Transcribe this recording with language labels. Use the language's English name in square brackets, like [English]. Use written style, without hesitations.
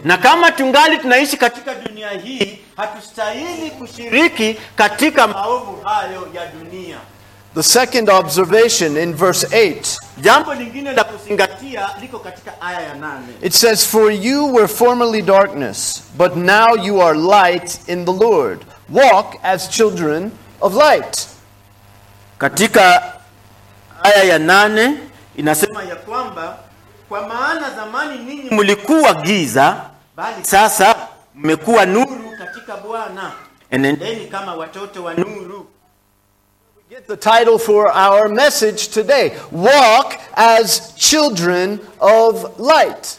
[Swahili] Na kama tungali tunaishi katika dunia hii, hatustahili kushiriki katika maovu hayo ya dunia. [English] The second observation in verse 8. [Swahili] Jambo lingine la kuzingatia liko katika aya ya 8. [English] It says, "For you were formerly darkness, but now you are light in the Lord. Walk as children of light." [Swahili] Katika aya ya 8 inasema ya kwamba kwa maana zamani ninyi mlikuwa giza, bali sasa mmekuwa nuru katika Bwana. Enendeni kama watoto wa nuru. [English] Get the title for our message today. Walk as children of light.